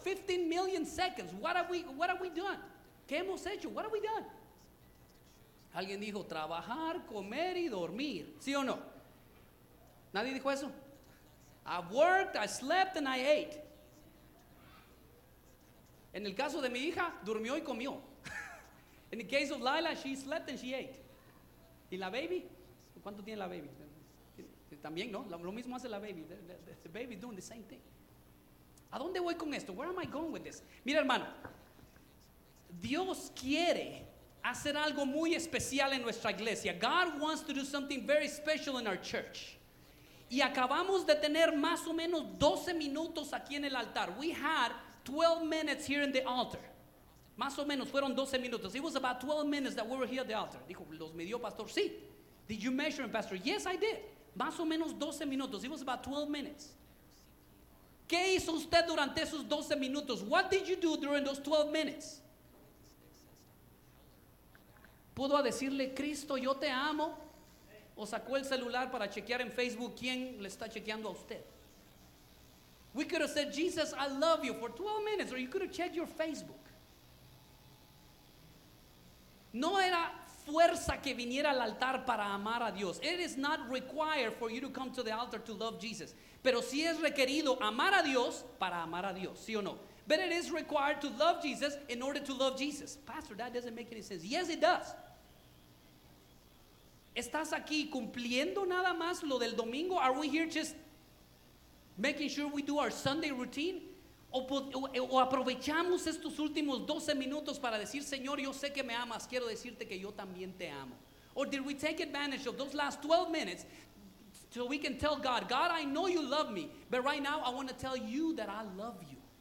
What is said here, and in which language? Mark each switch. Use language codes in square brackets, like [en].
[en] 15 million seconds. What have we done? [es] ¿Qué hemos hecho? [en] What have we done? [es] Alguien dijo, trabajar, comer y dormir. ¿Sí o no? ¿Nadie dijo eso? [en] I worked, I slept and I ate. [es] En el caso de mi hija, durmió y comió. [en] In the case of Lila, she slept and she ate. [es] ¿Y la baby? ¿Cuánto tiene la baby? También, ¿no? Lo mismo hace la baby. [en] The baby doing the same thing. [es] ¿A dónde voy con esto? [en] Where am I going with this? [es] Mira, hermano. Dios quiere hacer algo muy especial en nuestra iglesia. [en] God wants to do something very special in our church. [es] Y acabamos de tener más o menos 12 minutos aquí en el altar. [en] We had 12 minutes here in the altar. [es] Más o menos fueron 12 minutos. [en] It was about 12 minutes that we were here at the altar. [es] Dijo, ¿los midió, pastor? Sí. Did you measure him, pastor? Yes, I did. Más o menos 12 minutos. [en] It was about 12 minutes. [es] ¿Qué hizo usted durante esos 12 minutos? [en] What did you do during those 12 minutes? [es] ¿Pudo decirle, Cristo, yo te amo? ¿O sacó el celular para chequear en Facebook quién le está chequeando a usted? [en] We could have said, Jesus, I love you for 12 minutes, or you could have checked your Facebook. [es] No era fuerza que viniera al altar para amar a Dios. [en] It is not required for you to come to the altar to love Jesus. [es] Pero sí es requerido amar a Dios para amar a Dios, ¿sí o no? [en] But it is required to love Jesus in order to love Jesus. Pastor, that doesn't make any sense. Yes, it does. [es] ¿Estás aquí cumpliendo nada más lo del domingo? [en] Are we here just making sure we do our Sunday routine? [es] ¿O aprovechamos estos últimos 12 minutos para decir, Señor, yo sé que me amas, quiero decirte que yo también te amo? [en] Or did we take advantage of those last 12 minutes so we can tell God, God, I know you love me, but right now I want to tell you that I love you.